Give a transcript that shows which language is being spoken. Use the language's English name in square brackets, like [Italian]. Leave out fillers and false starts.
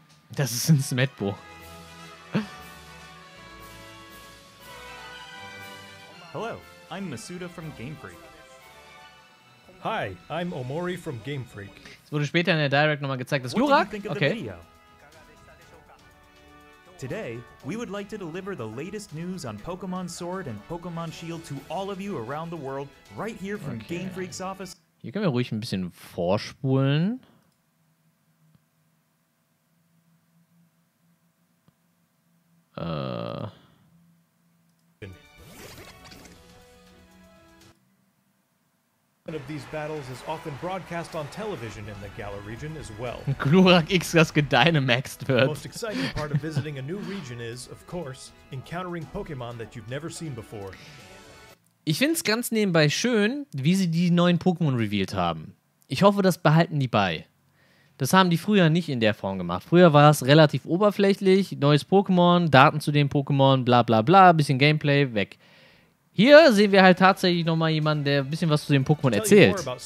[German] Das ist ein Smetbo. [English] Hello, I'm Masuda from Game Freak. Hi, I'm Omori from Game Freak. [German] Es wurde später in der Direct nochmal gezeigt, dass Glurak. Okay. [English] Today, we would like to deliver the latest news on Pokémon Sword and Pokémon Shield to all of you around the world, right here from okay. Game Freak's office. [German] Hier können wir ruhig ein bisschen vorspulen. [English] One of these battles is often broadcast on television in the Galar region as well. [German] Glurak X, das gedynamaxed wird. [English] The most exciting part of visiting a new region is, of course, encountering Pokémon that you've never seen before. [German] Ich find's ganz nebenbei schön, wie sie die neuen Pokémon revealed haben. Ich hoffe, das behalten die bei. Das haben die früher nicht in der Form gemacht. Früher war es relativ oberflächlich. Neues Pokémon, Daten zu dem Pokémon, bla bla bla, bisschen Gameplay, weg. Hier sehen wir halt tatsächlich nochmal jemanden, der ein bisschen was zu dem Pokémon erzählt.